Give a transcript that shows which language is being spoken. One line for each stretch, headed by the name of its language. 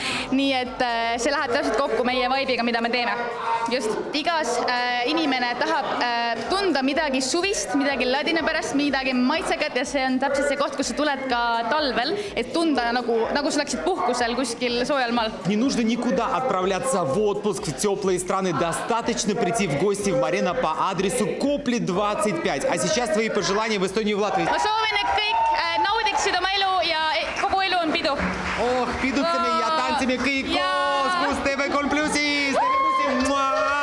Estonian: Nii et see läheb täpselt kokku meie vaibiga, mida me teeme. Just igas inimene tahab tunda midagi suvist, midagi ladina pärast, midagi maitsekat ja see on täpselt see koht, kus sa tuled ka talvel, et tunda nagu sa läksid puhkusel kuskil soojal maal.
Russian: Не нужно никуда отправляться в отпуск в теплые страны. Достаточно прийти в гости в Марина по адресу Копли 25. А сейчас твои пожелания в Эстонию и в Латвии.
Estonian: Ma soovin, et kõik naudiksid oma elu ja kogu elu on pidu. Oh, pidutseme ja tantsime kõik koos, kus TV3 Plusis!